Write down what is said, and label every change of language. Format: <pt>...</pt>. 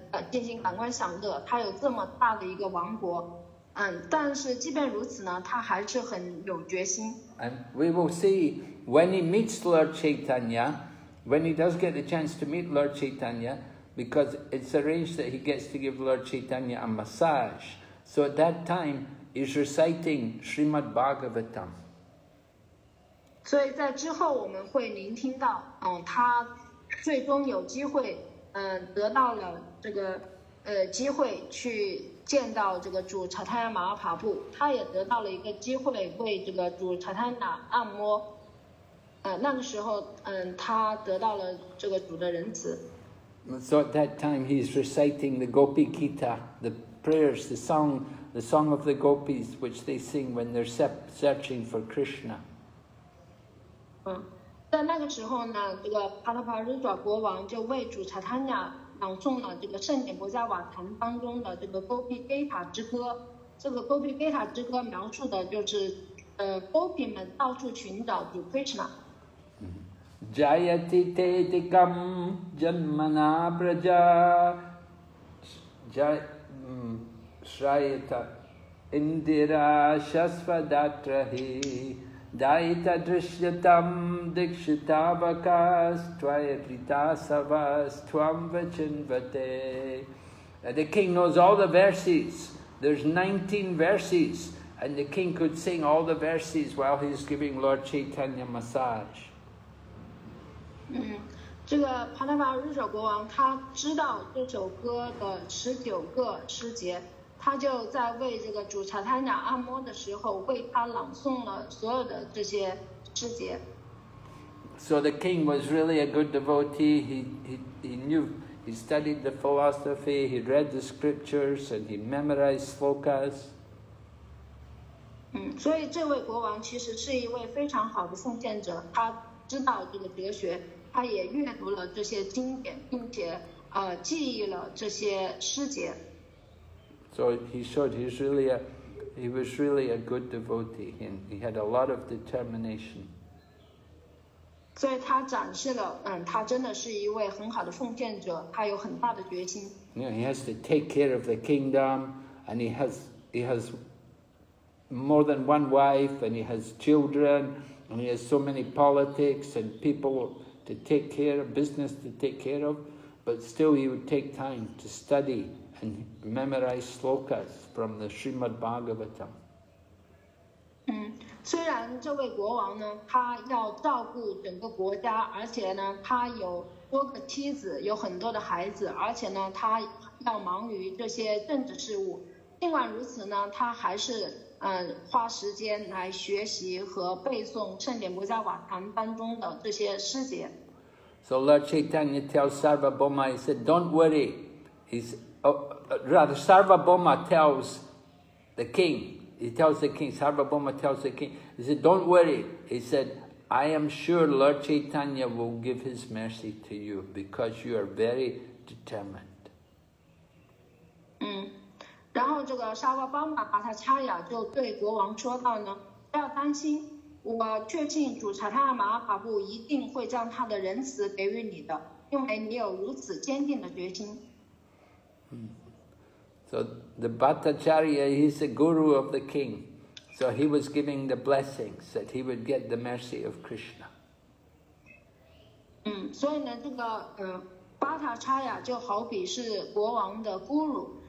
<zh>进行感官享乐，他有这么大的一个王国，但是即便如此呢，他还是很有决心。</zh> <en>And we will see when he meets Lord Chaitanya, when he does get the chance to meet Lord Chaitanya, because it's arranged that he gets to give Lord Chaitanya a massage. So at that time, he's reciting Srimad Bhagavatam.</en> <zh>所以在之后我们会聆听到，他最终有机会，得到了这个，机会去见到这个主查泰亚马尔帕布，他也得到了一个机会为这个主查泰亚按摩，那个时候，他得到了这个主的仁慈。</zh> <en>So at that time he's reciting the Gopi Gita, the prayers, the song of the Gopis, which they sing when they're searching for Krishna.</en> <zh>在那个时候呢，这个帕塔帕日爪国王就为主查塔尼亚朗诵了这个圣典博迦瓦坛当中的这个 Gopi Gita 之歌。这个 Gopi Gita 之歌描述的就是，Gopi 们到处寻找主 Krishna。</zh> <sa>Jayati te dikam janmana praja jay shrayata indira shasva datrahi daita drishyatam dikshitavakas twayatritasavas twamvachinvate.</sa> <en>The king knows all the verses. There's 19 verses, and the king could sing all the verses while he's giving Lord Chaitanya massage.</en> <zh>这个帕塔帕日舍国王他知道这首歌的十九个诗节，他就在为这个主查塔尼亚按摩的时候为他朗诵了所有的这些诗节。</zh> <en>So the king was really a good devotee. He knew, he studied the philosophy, he read the scriptures, and he memorized slokas.</en> <zh>所以这位国王其实是一位非常好的奉献者，他知道这个哲学，他也阅读了这些经典，并且记忆了这些诗节。</zh> <en>So he showed he was really a good devotee, and he had a lot of determination.</en> <zh>所以他展示了，他真的是一位很好的奉献者，他有很大的决心。</zh> <en>You know, he has to take care of the kingdom, and he has more than one wife, and he has children. And he has so many politics and people to take care of, business to take care of, but still he would take time to study and memorize slokas from the Srimad Bhagavatam.</en> <zh>虽然这位国王呢，他要照顾整个国家，而且呢，他有多个妻子，有很多的孩子，而且呢，他要忙于这些政治事务。尽管如此呢，他还是花时间来学习和背诵圣典博迦瓦坛当中的这些诗节。</zh> <en>So Lord Chaitanya tells Sarvabhauma, he said, "Don't worry." Sarvabhauma tells the king. He tells the king. Sarvabhauma tells the king. He said, "Don't worry." He said, "I am sure Lord Chaitanya will give his mercy to you because you are very determined."</en> <zh>然后这个沙瓦邦玛巴塔恰雅就对国王说道呢，不要担心，我确信主查塔马尔帕布一定会将他的仁慈给予你的，因为你有如此坚定的决心。</zh> <en>So the Bhattacharya, he's the guru of the king. So he was giving the blessings that he would get the mercy of Krishna.</en> <zh>所以呢，这个巴塔恰雅就好比是国王的guru。</zh>